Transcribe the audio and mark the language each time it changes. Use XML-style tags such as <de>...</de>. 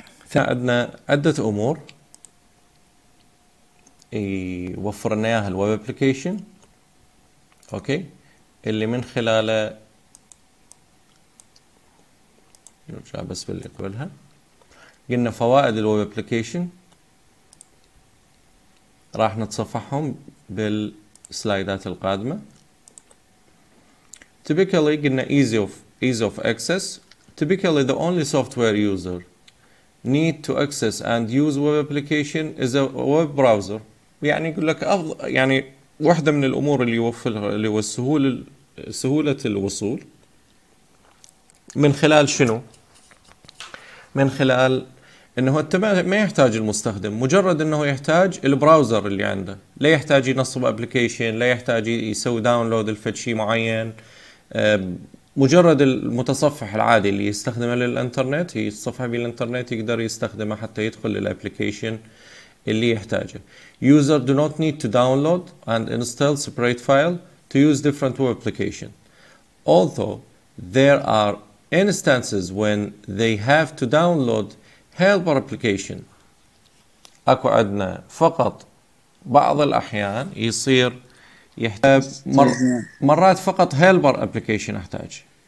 <ar>احنا عندنا عدة أمور يوفر لنا اياها الويب ابلكيشن، اوكي، اللي من خلاله نرجع بس باللي قبلها. قلنا فوائد الويب ابلكيشن راح نتصفحهم بالسلايدات القادمة.</ar> <en>typically</en> <ar>قلنا</ar> <en>ease of access. typically the only software user need to access and use web application is a web browser.</en> <ar>يعني يقول لك افضل، يعني واحده من الامور اللي يوفر اللي هو سهوله الوصول من خلال شنو؟ من خلال انه انت ما يحتاج المستخدم، مجرد انه يحتاج البراوزر اللي عنده، لا يحتاج ينصب ابلكيشن، لا يحتاج يسوي داونلود لفد شيء معين، مجرد المتصفح العادي اللي يستخدمه للانترنت، يتصفح بالانترنت يقدر يستخدمه حتى يدخل للابلكيشن اللي يحتاجه.</ar> <en>User do not need to download and install separate file to use different web application. Although there are instances when they have to download helper application.</en> <ar>اكو عندنا فقط بعض الاحيان يصير يحتاج مرات فقط helper application احتاج.</ar>